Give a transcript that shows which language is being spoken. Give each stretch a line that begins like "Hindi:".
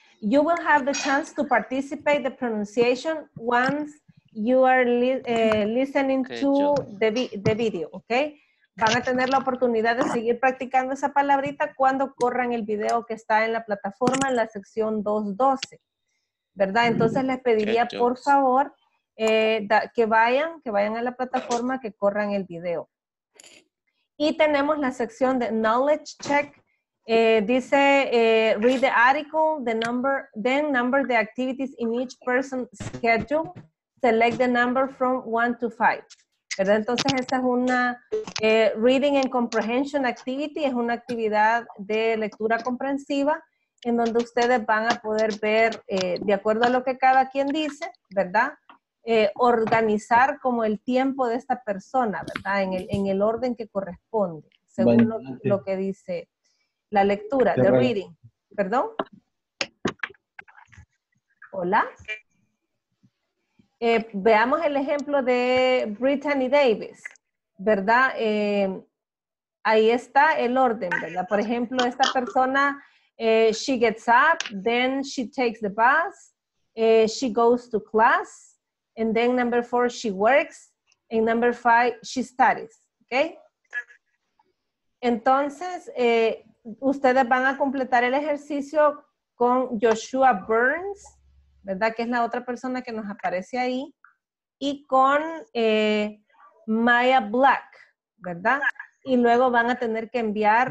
English: You will have the chance to participate the pronunciation once you are listening to the video, okay?
Spanish: Van a tener la oportunidad de seguir practicando esa palabrita cuando corran el video que está en la plataforma en la sección 212. ¿Verdad? Entonces les pediría, por favor, que vayan a la plataforma, que corran el video. Y tenemos la sección de Knowledge Check. Dice,
English: read the article, the number, then number the activities in each person's schedule, select the number from 1 to 5.
Spanish: ¿Verdad? Entonces esta es una
English: Reading and Comprehension Activity,
Spanish: es una actividad de lectura comprensiva, en donde ustedes van a poder ver, de acuerdo a lo que cada quien dice, ¿verdad? Organizar como el tiempo de esta persona, ¿verdad? En el orden que corresponde, según lo que dice la lectura,
English: the reading.
Spanish: ¿Perdón? ¿Hola? Veamos el ejemplo de Brittany Davis, ¿verdad? Ahí está el orden, ¿verdad? Por ejemplo, esta persona...
English: she gets up, then she takes the bus, she goes to class, and then number 4, she works, and number 5, she studies, okay?
Spanish: Entonces, ustedes van a completar el ejercicio con Joshua Burns, ¿verdad? Que es la otra persona que nos aparece ahí. Y con Maya Black, ¿verdad? Y luego van a tener que enviar...